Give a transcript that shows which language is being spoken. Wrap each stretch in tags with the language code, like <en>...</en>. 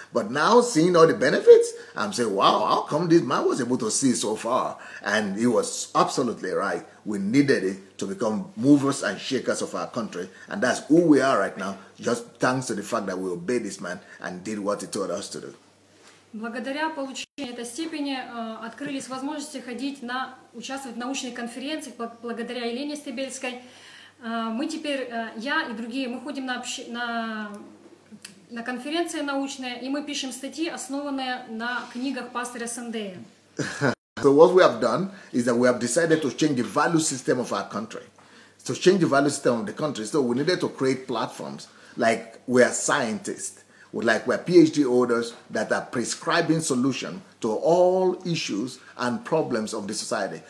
<en>But now seeing all the benefits, I'm saying, wow, how come this man was able to see so far? And he was absolutely right. We needed it to become movers and shakers of our country. And that's who we are right now, just thanks to the fact that we obeyed this man and did what he told us to do.</en> <ru>Благодаря получению этой степени открылись возможности ходить на участвовать в научной конференции благодаря Елене Стебельской. Мы теперь, я и другие, мы ходим на конференции научные, и мы пишем статьи, основанные на книгах пастора Сандея.</ru> <en>So what we have done is that we have decided to change the value system of our country. To change the value system of the country. So we needed to create platforms like we are scientists. Like we're PhD holders that are prescribing solution to all issues and problems of the society.</en>